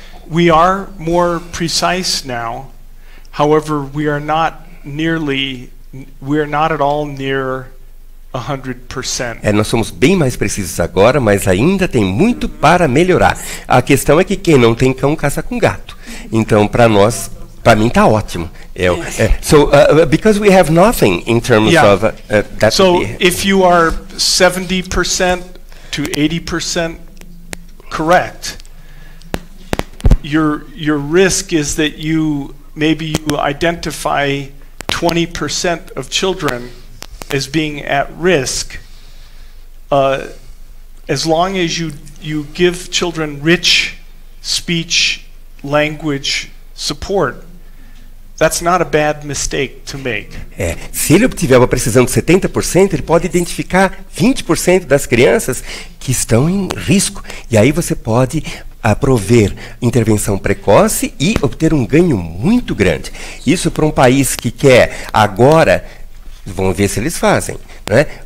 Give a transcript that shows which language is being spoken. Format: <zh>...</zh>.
<en>We are more precise now. However, we are not at all near 100%.</en> <pt>Nós somos bem mais precisos agora, mas ainda tem muito para melhorar. A questão é que quem não tem cão caça com gato. Então, para nós, para mim tá ótimo. Ill.</pt> <en>So, because we have nothing in terms of that. So, if you are 70% to 80% correct, your risk is that you identify 20% of children as being at risk. As long as you give children rich speech language support, that's not a bad mistake to make.</en> <pt>É, se ele obtiver uma precisão de 70%, ele pode identificar 20% das crianças que estão em risco. E aí você pode prover intervenção precoce e obter um ganho muito grande. Isso para um país que quer agora, vamos ver se eles fazem, né?</pt>